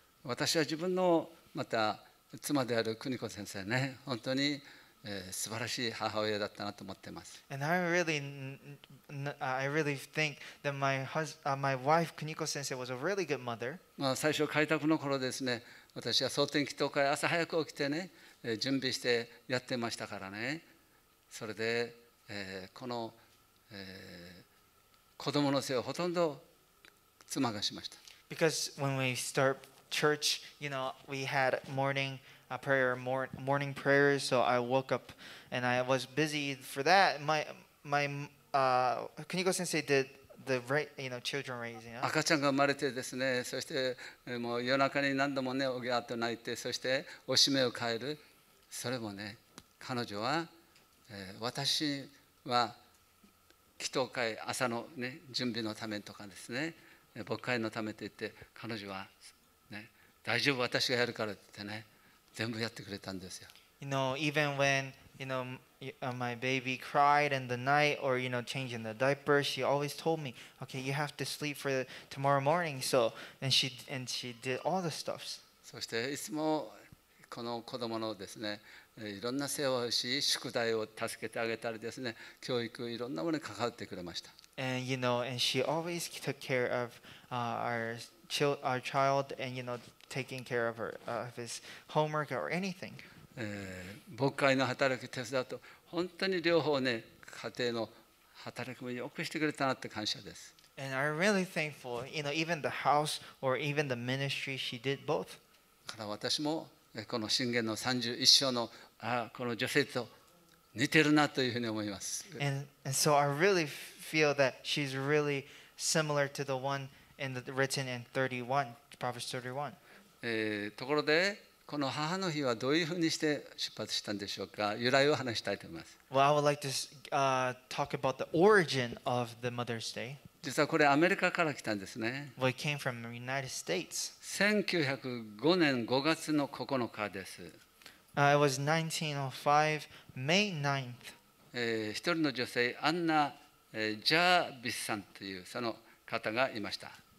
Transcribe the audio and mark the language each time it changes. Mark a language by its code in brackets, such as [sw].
[ja] 私は自分のまた妻である邦子先生ね、本当に素晴らしい母親だったなと思ってます。 [en] And I really think that my wife Kuniko sensei was a really good mother. [ja] まあ最初開拓の頃ですね、私は蒼天祈祷会朝早く起きてね、準備してやってましたからね。それで、この、子供の世話ほとんど妻がしました。 [en] Because when we start church, you know, we had morning. A prayer, morning prayers. So I woke up, and I was busy for that. My Kuniko sensei did the you know children raising. [ja] 赤ちゃんが生まれてですね。そしてもう夜中に何度もねおぎゃっと泣いて、そしておしめを変える。それもね、彼女は、私は祈祷会朝のね準備のためとかですね、牧会のためと言って、彼女はね大丈夫私がやるからって言ってね。全部やってくれたんですよ。 [en] You know, even when you know my baby cried in the night or you know changing the diaper, she always told me, "Okay, you have to sleep for tomorrow morning." So and she did all the stuffs. [ja] そしていつもこの子供のですね、いろんな世話をし、宿題を助けてあげたりですね、教育いろんなものに関わってくれました。 [en] And you know, and she always took care of our child and you know. Taking care of her, of his homework or anything. [ja] 牧会の働き手伝うと本当に両方ね家庭の働きもよくしてくれたなって感謝です。 [en] And I'm really thankful, you know, even the house or even the ministry she did both. [ja] から私もこの箴言の31章のこの女性と似てるなというふうに思います。 [en] And so I really feel that she's really similar to the one in the written in 31, Proverbs 31. [ja] ところでこの母の日はどういうふうにして出発したんでしょうか。由来を話したいと思います。 [en] Well, I would like to talk about the origin of the Mother's Day. [ja] 実はこれアメリカから来たんですね。 [en] Well, it came from the United States. [ja] 1905年5月の9日です。 [en] It was 1905, May 9th. [ja] 一人の女性、アンナ・ジャービスさんというその方がいました。